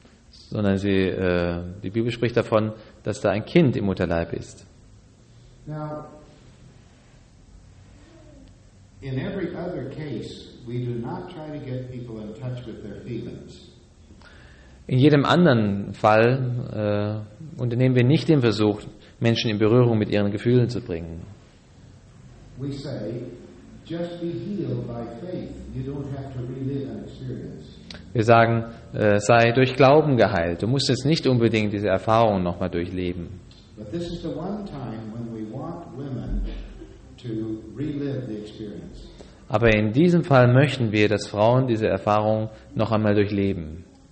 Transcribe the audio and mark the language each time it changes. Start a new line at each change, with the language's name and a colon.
German: Sondern die Bibel spricht davon, dass da ein Kind im Mutterleib ist.
English: In every other case, we do not try to get people in touch with their feelings.
German: In jedem anderen Fall unternehmen wir nicht den Versuch, Menschen in Berührung mit ihren Gefühlen zu bringen.
English: We say, just be healed by faith. You don't have to relive an experience.
German: Wir sagen, sei durch Glauben geheilt. Du musst jetzt nicht unbedingt diese Erfahrung nochmal durchleben.
English: But this is the one time when we want women to relive the experience.
German: Aber in diesem Fall möchten wir, dass Frauen diese Erfahrung noch einmal durchleben.